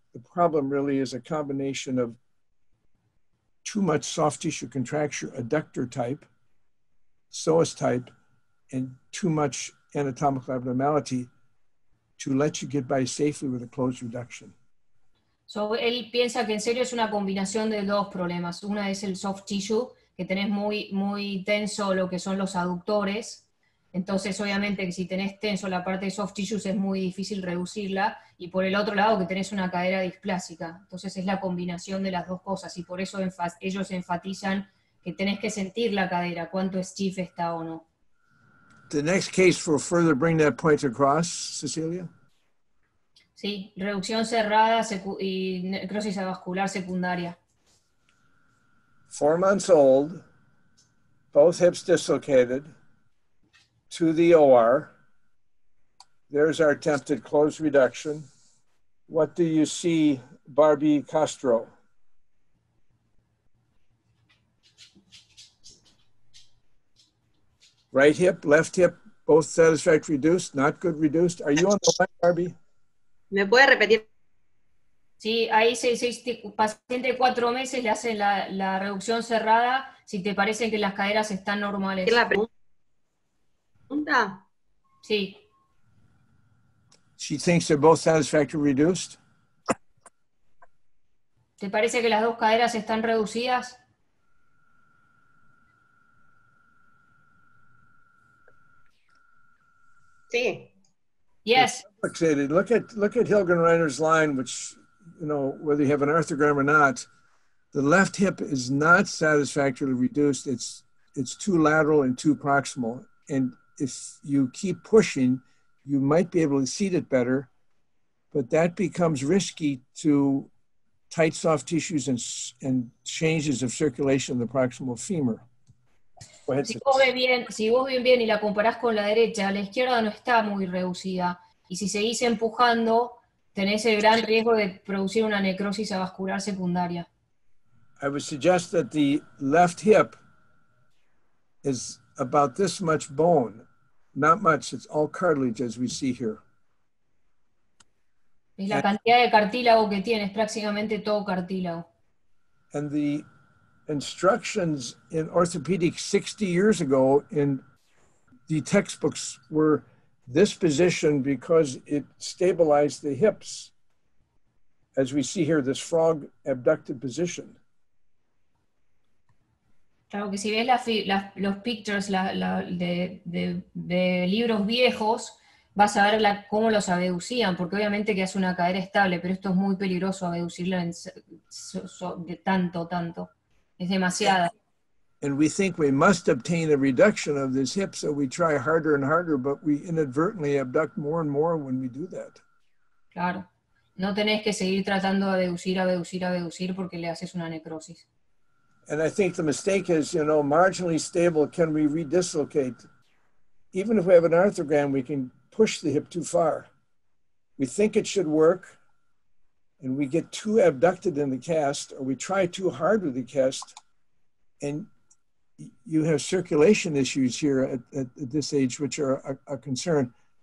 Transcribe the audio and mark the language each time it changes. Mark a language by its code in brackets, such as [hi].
[en] the problem really is a combination of too much soft tissue contracture, adductor type, psoas type, and too much anatomical abnormality to let you get by safely with a closed reduction. [es] So él piensa que en serio es una combinación de dos problemas. Una es el soft tissue, que tenés muy, muy tenso lo que son los aductores. Entonces, obviamente, que si tenés tenso la parte de soft tissues es muy difícil reducirla. Y por el otro lado, que tenés una cadera displásica. Entonces, es la combinación de las dos cosas. Y por eso ellos enfatizan que tenés que sentir la cadera, cuánto stiff está o no. [en] The next case for further bring that point across, Cecilia. [es] Sí, reducción cerrada y necrosis avascular secundaria. [en] 4 months old, both hips dislocated, to the OR. There's our attempted closed reduction. What do you see, Barbie Castro? Right hip, left hip, both satisfactory reduced, not good reduced. Are you on the line, Barbie? [es] ¿Me puede repetir? Sí, ahí se paciente de 4 meses le hacen la reducción cerrada, si te parece que las caderas están normales. ¿Es la pregunta? Sí. [en] She thinks they're both satisfactory reduced. [es] ¿Te parece que las dos caderas están reducidas? Sí. [en] Yes. Look at Hilgenreiner's line, which, you know, whether you have an arthrogram or not, the left hip is not satisfactorily reduced. It's too lateral and too proximal. And if you keep pushing, you might be able to seat it better, but that becomes risky to tight soft tissues and changes of circulation in the proximal femur. [es] Si vos ves bien y la comparás con la derecha, la izquierda no está muy reducida. Y si seguís empujando, tenés el gran riesgo de producir una necrosis avascular secundaria. [en] I would suggest that the left hip is about this much bone. Not much, it's all cartilage as we see here. [es] Es la cantidad de cartílago que tienes, prácticamente todo cartílago. [en] And the instructions in orthopedics 60 years ago in the textbooks were this position because it stabilized the hips, as we see here, this frog abducted position. [es] Claro que si ves los pictures de libros viejos, vas a ver cómo los abducían, porque obviamente que hace una cadera estable, pero esto es muy peligroso abducirla de tanto. Es demasiada. [en] And we think we must obtain a reduction of this hip, so we try harder and harder, but we inadvertently abduct more and more when we do that. [es] Claro. No tenés que seguir tratando de abducir, porque le haces una necrosis. [en] And I think the mistake is, you know, marginally stable, can we redislocate? Even if we have an arthrogram, we can push the hip too far. We think it should work, and we get too abducted in the cast, or we try too hard with the cast, and you have circulation issues here at this age, which are a concern.